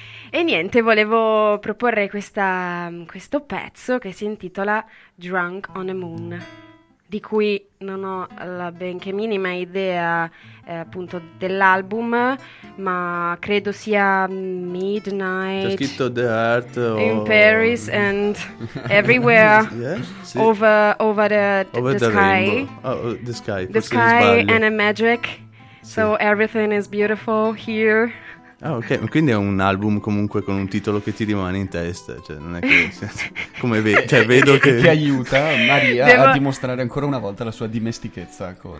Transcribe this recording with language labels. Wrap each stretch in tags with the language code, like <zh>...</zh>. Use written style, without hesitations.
<it>E niente, volevo proporre questo pezzo che si intitola Drunk on a Moon, di cui non ho la benché minima idea appunto dell'album, ma credo sia Midnight. C'è scritto The Heart</it> <en>in Paris and everywhere. Yeah?</en> <it>Sì.</it> <en>over the sky. Oh, the sky. The sky and a magic.</en> <it>Sì.</it> <en>So everything is beautiful here.</en> <it>Ah, ok, quindi è un album comunque con un titolo che ti rimane in testa, cioè non è che come vedo che ti aiuta Maria a dimostrare ancora una volta la sua dimestichezza con</it>